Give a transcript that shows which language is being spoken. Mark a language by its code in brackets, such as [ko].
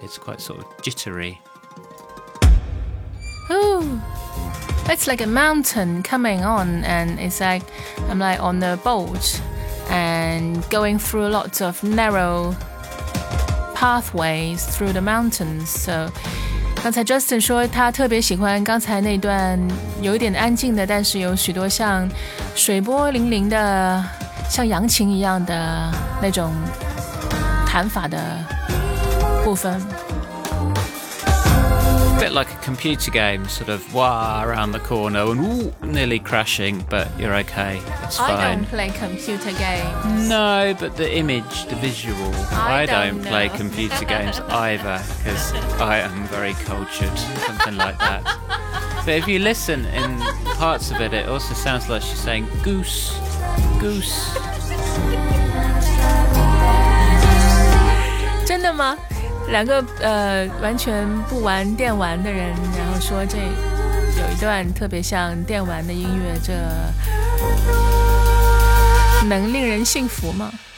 [en] It's quite sort of jittery. Ooh, it's like a mountain coming on, and it's like I'm like on a boat and going through lots of narrow pathways through the mountains. [zh] So 刚才 Justin 说他特别喜欢刚才那段有一点安静的，但是有许多像水波粼粼的，像扬琴一样的那种弹法的部分。 [en] Bit like a computer game, sort of wah around the corner and ooh, nearly crashing, but you're okay. It's fine. I don't play computer games. No, but the image, the visual. I don't play computer games either, because I am very cultured, something like that. But if you listen in parts of it, it also sounds like she's saying goose, goose. [zh] 真的吗？两个完全不玩电玩的人，然后说这有一段特别像电玩的音乐，这能令人信服吗？